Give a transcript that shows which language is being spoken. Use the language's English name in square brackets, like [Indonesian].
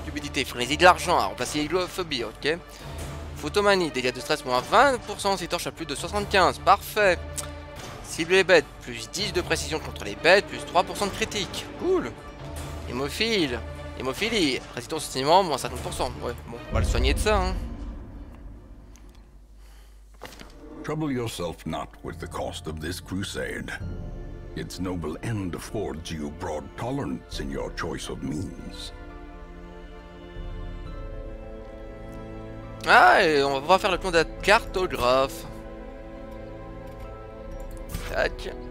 [French] Cupidité, frénésie de l'argent, à remplacer l'hygrophobie, ok. Photomanie, dégâts de stress moins 20%. Ces torches à plus de 75%. Parfait. Cible les bêtes, plus 10 de précision contre les bêtes, plus 3% de critique. Cool. Hémophilie, résistance au saignement moins 50%. Ouais, bon, on va le soigner de ça, hein. [English] Trouble yourself not with the cost of this crusade. Its noble end affords you broad tolerance in your choice of means. [French] Ah, et on va faire le compte de cartographe. Tac.